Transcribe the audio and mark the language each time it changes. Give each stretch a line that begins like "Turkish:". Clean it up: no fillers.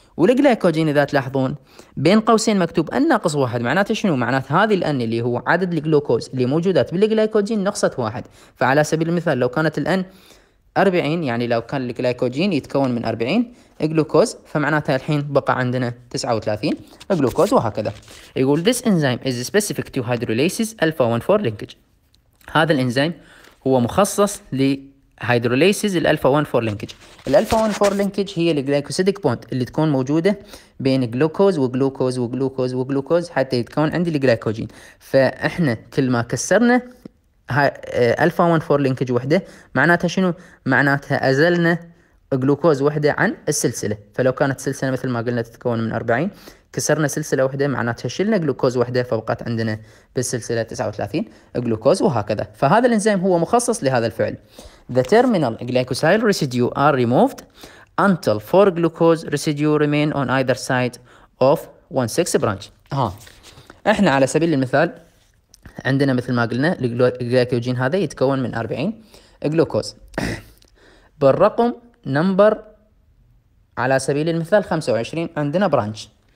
Arabic: والجلايكوجين إذا تلاحظون بين قوسين مكتوب أن ناقص واحد، معناته شنو؟ معناته هذه الأن اللي هو عدد الجلوكوز اللي موجودات بالجلايكوجين نقصت واحد. فعلى سبيل المثال لو كانت الأن 40، يعني لو كان الجلايكوجين يتكون من 40 جلوكوز، فمعناتها الحين بقى عندنا 39 جلوكوز وهكذا.
English: يقول this enzyme is specific to hydrolysis alpha-1-4 linkage.
Arabic: هذا الإنزيم هو مخصص ل هيدروليسيز الالفا 1-4 لينكج. الالفا 1-4 لينكج هي الجلايكوسيديك بوند اللي تكون موجوده بين جلوكوز وجلوكوز وجلوكوز وجلوكوز حتى يتكون عندي الجلايكوجين. فاحنا كل ما كسرنا الفا 1-4 لينكج وحده، معناتها شنو؟ معناتها ازلنا جلوكوز وحده عن السلسله. فلو كانت سلسله مثل ما قلنا تتكون من 40، كسرنا سلسله وحده معناتها شلنا جلوكوز وحده، فبقت عندنا بالسلسله 39 جلوكوز وهكذا. فهذا الانزيم هو مخصص لهذا الفعل.
English: The terminal glycosyl residue are removed until 4 glucose residue remain on either side of 1-6 branch.
Arabic: ها احنا على سبيل المثال عندنا مثل ما قلنا الجلايكوجين هذا يتكون من 40 جلوكوز بالرقم نمبر على سبيل المثال 25 عندنا برانش.